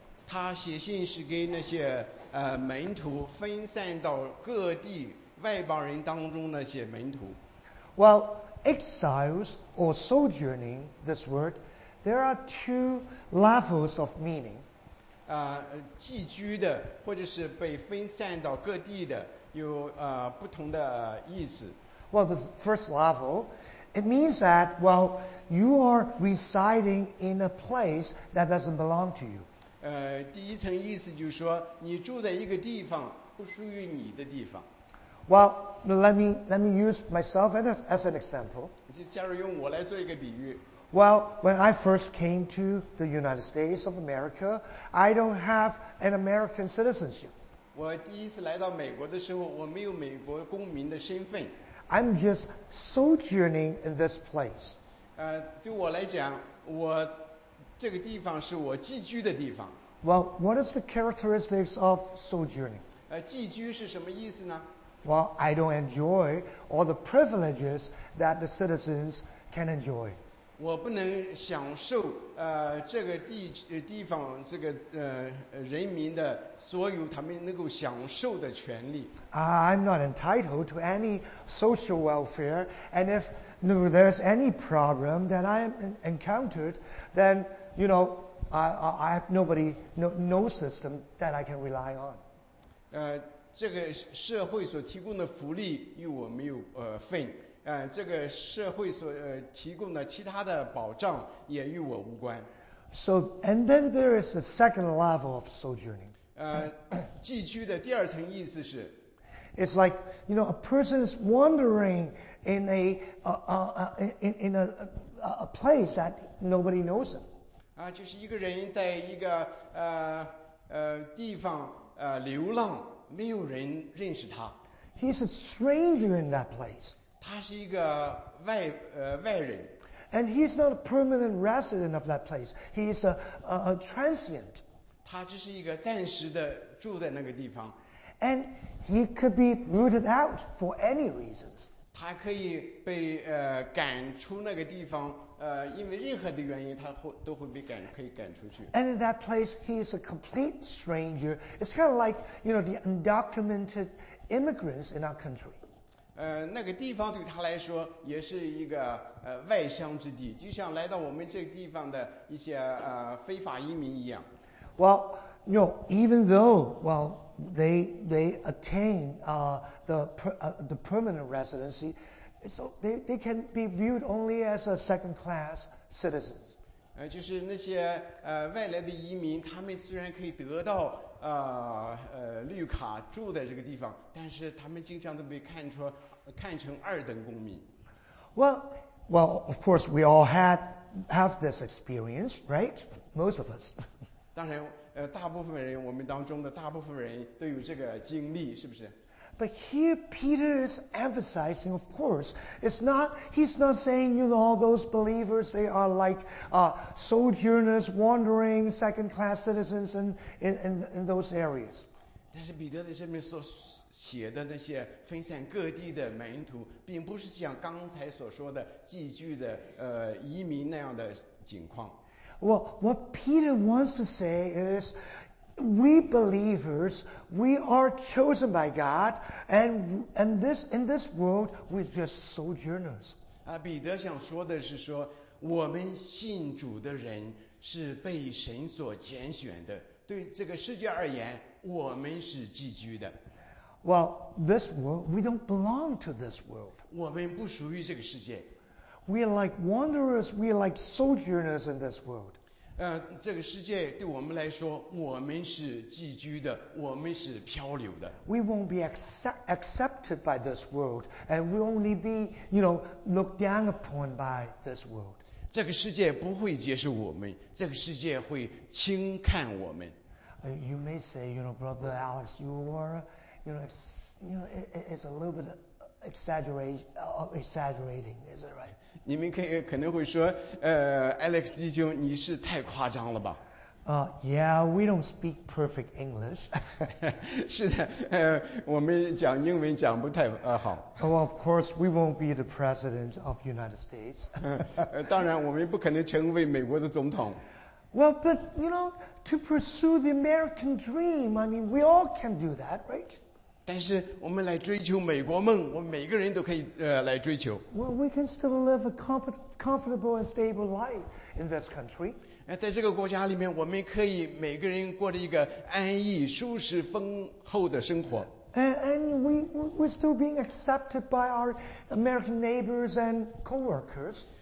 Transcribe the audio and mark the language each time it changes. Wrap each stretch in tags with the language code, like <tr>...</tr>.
<zh>他写信是给那些门徒分散到各地外邦人当中那些门徒。</zh> <en>Well, exiles or sojourning, this word,There are two levels of meaning.</en> <zh>寄居的或者是被分散到各地的有不同的意思。</zh> <en>Well, the first level, it means that, well, you are residing in a place that doesn't belong to you.</en> <zh>第一层意思就是说你住在一个地方不属于你的地方。</zh> <en>Well, let me use myself as an example.</en> <zh>就假如用我来做一个比喻。</zh> <en>Well, when I first came to the United States of America, I don't have an American citizenship.</en> <zh>我第一次来到美国的时候，我没有美国公民的身份。</zh> <en>I'm just sojourning in this place.</en> <zh>对我来讲，我这个地方是我寄居的地方。</zh> <en>Well, what is the characteristics of sojourning?</en> <zh>寄居是什么意思呢？</zh> <en>Well, I don't enjoy all the privileges that the citizens can enjoy.</en> <zh>我不能享受这个地方这个人民的所有他们能够享受的权利。</zh> <en>I'm not entitled to any social welfare, and if there's any problem that I encountered, then you know I have nobody, no system that I can rely on.</en> <zh>这个社会所提供的福利与我没有份。这个社会所提供的其他的保障也与我无关。</zh> <en>So, and then there is the second level of sojourning.</en> <zh>寄居的第二层意思是</zh> <en>It's like, you know, a person is wandering in a place that nobody knows him.</en> <zh>啊，就是一个人在一个地方流浪，没有人认识他。</zh> <en>He's a stranger in that place.</en> <zh>他是一个外人。</zh> <en>And he's not a permanent resident of that place. He is a transient.</en> <zh>他只是一个暂时的住在那个地方。</zh> <en>And he could be rooted out for any reasons.</en> <zh>他可以被赶出那个地方，因为任何的原因，他都会被赶，可以赶出去。</zh> <en>And in that place, he is a complete stranger. It's kind of like, you know, the undocumented immigrants in our country.</en> <zh>那个地方对他来说也是一个外乡之地，就像来到我们这个地方的一些非法移民一样。</zh> <en>Well, you know, even though, well. They attain the permanent residency, so they can be viewed only as a second class citizens.</en> <zh>就是那些外来的移民，他们虽然可以得到绿卡住在这个地方，但是他们经常都被看成二等公民。</zh> <en>Well, of course we all have this experience, right? Most of us.</en> <zh>当然。大部分人，我们当中的大部分人都有这个经历，是不是？</zh> <en>But here Peter is emphasizing, of course, it's not, he's not saying, you know, all those believers, they are like sojourners, wandering, second class citizens in those areas.</en> <zh>但是彼得在这边所写的那些分散各地的门徒，并不是像刚才所说的寄居的移民那样的情况。</zh> <en>Well, what Peter wants to say is, we believers, we are chosen by God, and this, in this world, we're just sojourners.</en> <zh>彼得想说的是说，我们信主的人是被神所拣选的，对这个世界而言，我们是寄居的。</zh> <en>Well, this world, we don't belong to this world.</en> <zh>我们不属于这个世界。</zh> <en>We are like wanderers, we are like sojourners in this world.</en> <zh>这个世界对我们来说，我们是寄居的，我们是漂流的。</zh> <en>We won't be accepted by this world, and we'll only be, you know, looked down upon by this world.</en> <zh>这个世界不会接受我们，这个世界会轻看我们。</zh> <en>You may say, you know, Brother Alex, it's a little bit exaggerating, is it right?</en> <zh>你们可能会说，Alex 弟兄，你是太夸张了吧？</zh> <en>Yeah, we don't speak perfect English.</en> <zh>是的，我们讲英文讲不太好。</zh> <en>Well, of course, we won't be the president of United States.</en> <zh>当然，我们不可能成为美国的总统。</zh> <en>Well, but you know, to pursue the American dream, I mean, we all can do that, right?</en> <zh>但是我们来追求美国梦，我们每个人都可以来追求。</zh> <en>Well, we can still live a comfortable and stable life in this country.</en> <zh>在这个国家里面，我们可以每个人过着一个安逸、舒适、丰厚的生活。</zh> <en>And we're still being accepted by our American neighbors and coworkers.</en>